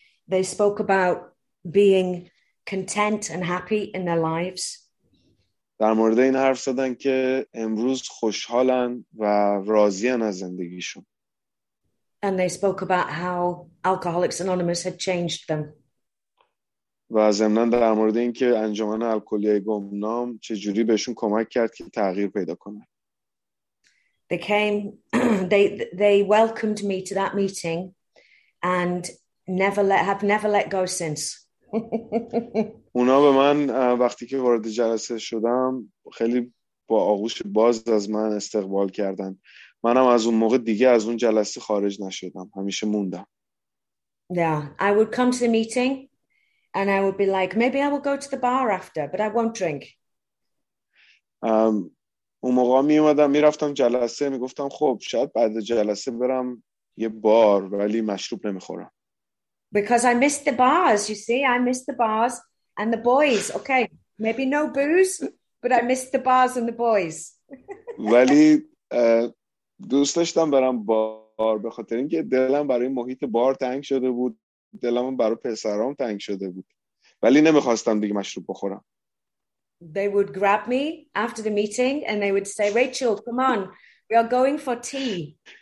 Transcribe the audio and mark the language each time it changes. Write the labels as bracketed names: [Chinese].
[English] They spoke about being content and happy in their lives. [Persian] در مورد این حرف زدن که امروز خوشحالن و راضین از زندگیشون. [English] And they spoke about how Alcoholics Anonymous had changed them. [Persian] و ضمناً در مورد این که انجمن الکلی‌های گمنام چجوری بهشون کمک کرد که تغییر پیدا کنن. [English] They came, they welcomed me to that meeting and have never let go since. [Persian] اونا به من وقتی که وارد جلسه شدم خیلی با آغوش باز از من استقبال کردن. منم از اون موقع دیگه از اون جلسه خارج نشدم. همیشه موندم. [English] Yeah, I would come to the meeting and I would be like, maybe I will go to the bar after, but I won't drink. [Persian] اون موقع می اومدم می رفتم جلسه می گفتم خب شاید بعد جلسه برم یه بار ولی مشروب نمی خورم. [English] Because I missed the bars, you see, I missed the bars and the boys. Okay, maybe no booze, but I missed the bars and the boys. [Persian] ولی دوست داشتم برم بار به خاطر اینکه دلم برای محیط بار تنگ شده بود. دلم برای پسرام تنگ شده بود. ولی نمیخواستم دیگه مشروب بخورم. [English] They would grab me after the meeting and they would say, Rachel, come on, we are going for tea.